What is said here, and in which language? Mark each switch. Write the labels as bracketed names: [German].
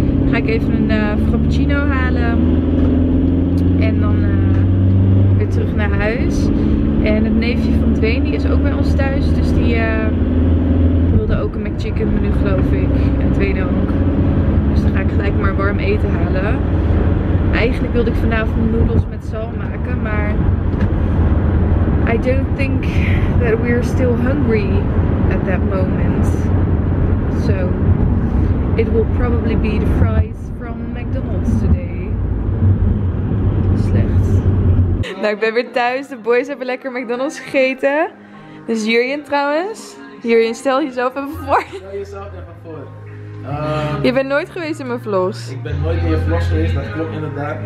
[Dutch] Ga ik even een frappuccino halen. En dan weer terug naar huis. En het neefje van Dwayne die is ook bij ons thuis. Dus die wilde ook een McChicken menu, geloof ik. En Dwayne ook. Dus dan ga ik gelijk maar warm eten halen. Eigenlijk wilde ik vanavond noedels met zalm maken. Maar [English] I don't think that we are still hungry at that moment. So it will probably be the fries from McDonald's today. [Dutch] Slecht. Nou, ik ben weer thuis. De boys hebben lekker McDonald's gegeten. Dus Jurjen trouwens. Jurjen, stel jezelf even voor. Stel jezelf even voor. Je bent nooit geweest in mijn vlogs. Ik ben nooit in je vlogs geweest, dat klopt inderdaad.